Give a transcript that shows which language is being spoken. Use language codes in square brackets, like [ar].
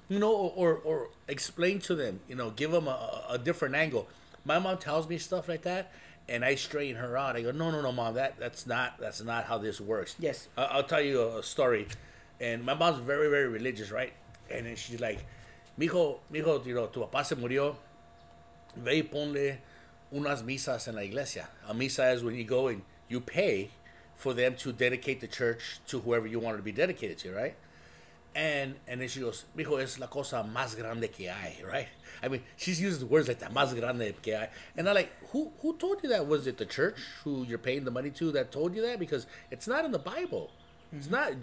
[en] You know, or explain to them, you know, give them a different angle. My mom tells me stuff like that, and I straighten her out. I go, no, Mom, that's not how this works. Yes. I'll tell you a story. And my mom's very, very religious, right? And then she's like, mijo, you know, [es] tu papá se murió. Ve y ponle unas misas en la iglesia. [en] A misa is when you go and you pay for them to dedicate the church to whoever you want to be dedicated to, right? And then she goes, [es] mijo, es la cosa más grande que hay, [en] right? I mean, she's using words like that, [es] más grande que hay. [en] And I'm like, who told you that? Was it the church who you're paying the money to that told you that? Because it's not in the Bible. Mm-hmm. It's not.